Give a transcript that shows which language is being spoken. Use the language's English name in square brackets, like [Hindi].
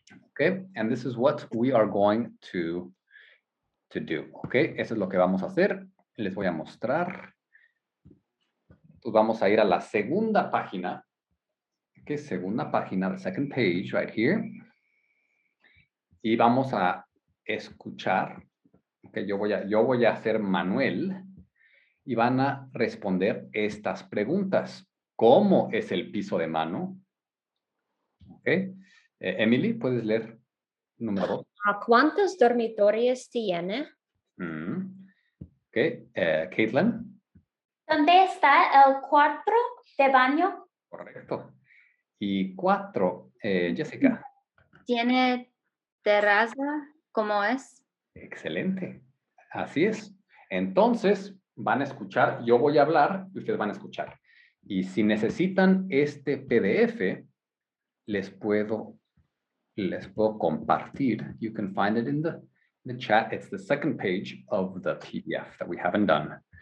[English] Ok, and this is what we are going to do. [Spanish] Ok, eso es lo que vamos a hacer. Les voy a mostrar. Pues vamos a ir a la segunda página. Ok, segunda página, [English] the second page right here. [Spanish] Y vamos a escuchar. Okay, yo voy a hacer Manuel y van a responder estas preguntas. ¿Cómo es el piso de mano? Okay. Emily, ¿puedes leer número 2? ¿A cuántos dormitorios tiene? Mm-hmm. Okay. Caitlin. ¿Dónde está el cuarto de baño? Correcto. Y 4, Jessica. ¿Tiene terraza? ¿Cómo es? Excelente. Así es. Entonces, van a escuchar. Yo voy a hablar y ustedes van a escuchar. Y si necesitan este PDF, les puedo compartir. [English] You can find it in the chat. It's the second page of the PDF that we haven't done.